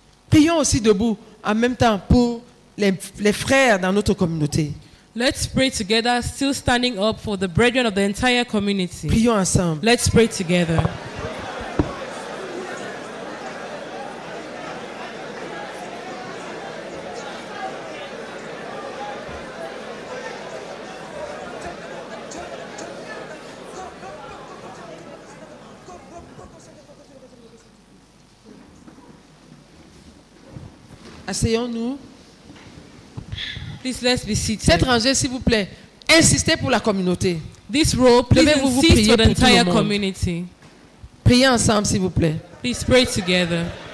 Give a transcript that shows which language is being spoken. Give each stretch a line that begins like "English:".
French: Prions aussi debout en même temps pour les frères dans notre communauté.
English: Let's pray together, still standing up for the brethren of the entire community.
French: Prions ensemble.
English: Let's pray together.
French: Asseyons-nous.
English: Please let's be seated.
French: Cette rangée, s'il vous plaît, insistez pour la communauté.
English: This row, please insist for the entire community.
French: Priez ensemble, s'il vous plaît.
English: Please pray together.